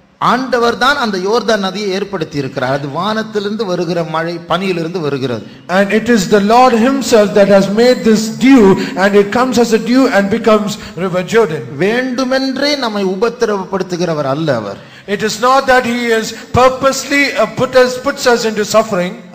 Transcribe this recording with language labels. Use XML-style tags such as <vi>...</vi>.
<ta>ஆண்டவர் தான் அந்த யோர்தான் நதியை ஏற்படுத்தி இருக்கிறார். அது வானத்திலிருந்து வருகிற மழை பனியிலிருந்து வருகிறது.</ta> <en>And it is the Lord himself that has made this dew, and it comes as a dew and becomes river Jordan.</en> <ta>வேண்டுமென்றே நம்மை உபத்திரவப்படுத்துகிறவர் அல்ல அவர்.</ta> <en>It is not that he is purposely puts us into suffering.</en>